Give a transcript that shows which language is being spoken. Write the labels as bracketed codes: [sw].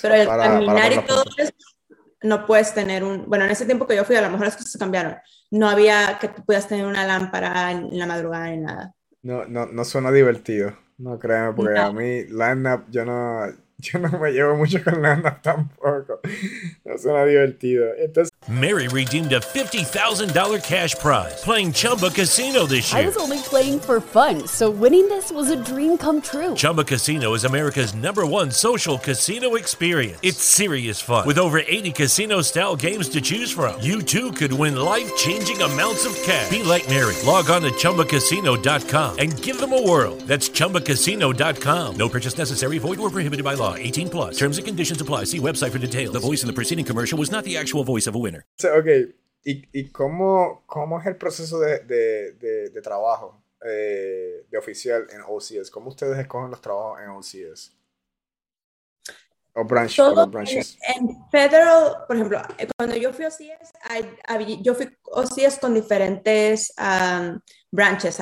[es] Pero el caminar y todo eso, no puedes tener un... Bueno, en ese tiempo que yo fui, a lo mejor las cosas cambiaron. No había que tú puedas tener una lámpara en la madrugada ni nada. No suena divertido. No, créeme, porque no. A mí, LandNav, yo no me llevo mucho con LandNav tampoco. No suena divertido. Entonces... [en] Mary redeemed a $50,000 cash prize playing Chumba Casino this year. I was only playing for fun, so winning this was a dream come true. Chumba Casino is America's number one social casino experience. It's serious fun. With over 80 casino-style games to choose from, you too could win life-changing amounts of cash. Be like Mary. Log on to ChumbaCasino.com and give them a whirl. That's ChumbaCasino.com. No purchase necessary. Void or prohibited by law. 18+. Terms and conditions apply. See website for details. The voice in the preceding commercial was not the actual voice of a winner. [es] Ok, ¿y cómo es el proceso de trabajo de oficial en OCS? ¿Cómo ustedes escogen los trabajos en OCS? O branches. Todo en federal, por ejemplo, cuando yo fui a OCS, yo fui a OCS con diferentes branches.